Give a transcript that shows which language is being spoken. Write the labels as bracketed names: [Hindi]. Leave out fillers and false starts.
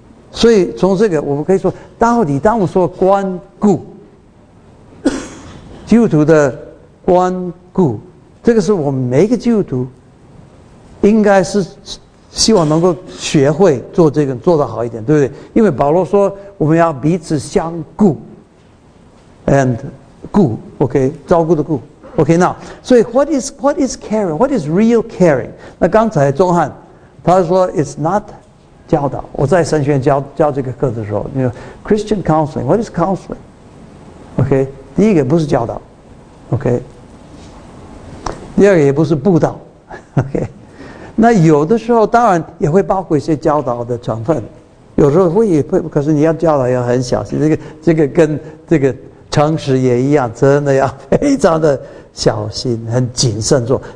[Chinese] 所以从这个我们可以说，到底当我说关顾基督徒的关顾，这个是我们每一个基督徒应该是希望能够学会做这个，做得好一点，对不对？因为保罗说我们要彼此相顾 and 顾 OK 照顾的顾 OK。那所以 [English] what is caring, what is real caring。 [Chinese] 那刚才钟汉他说 [English] it's not [Chinese] 教导，我在神学院教这个课的时候，你说 [English] Christian counseling， what is counseling？ [Chinese] OK， 第一个不是教导， OK， 第二个也不是布道， OK， 那有的时候当然也会包括一些教导的成分，有时候会，可是你要教导要很小心，这个跟这个诚实也一样，真的要非常的小心，很谨慎做。